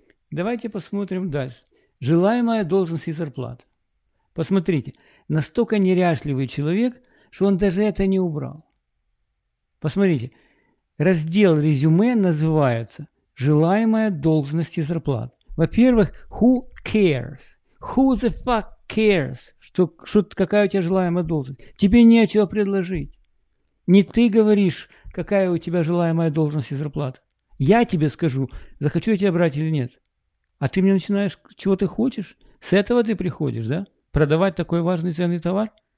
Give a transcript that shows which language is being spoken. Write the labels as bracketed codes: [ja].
[ru] Давайте посмотрим дальше. Желаемая должность и зарплата. Посмотрите, настолько неряшливый человек, что он даже это не убрал. Посмотрите. Раздел резюме называется «Желаемая должность и зарплата». Во-первых, [en] who cares? Who the fuck cares? [ru] Что, какая у тебя желаемая должность? Тебе нечего предложить. Не ты говоришь, какая у тебя желаемая должность и зарплата. Я тебе скажу, захочу я тебя брать или нет. А ты мне начинаешь, чего ты хочешь? С этого ты приходишь, да? Продавать такой важный ценный товар?